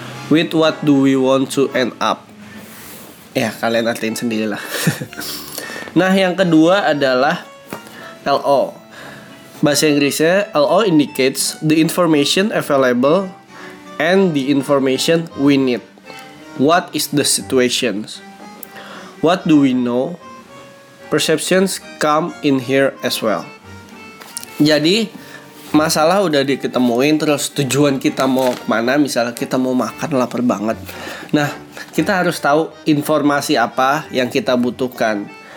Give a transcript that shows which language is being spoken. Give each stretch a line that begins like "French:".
English: With what do we want to end up?
Indonesian: Ya, kalian artiin sendirilah. Nah, yang kedua adalah LO. Bahasa Inggrisnya,
English: LO indicates the information available and the information we need. What is the situation? What do we know? Perceptions come in here as well.
Indonesian: Jadi, masalah udah diketemuin, terus tujuan kita mau kemana. Misalnya kita mau makan, lapar banget. Nah, kita harus tahu informasi apa yang kita butuhkan.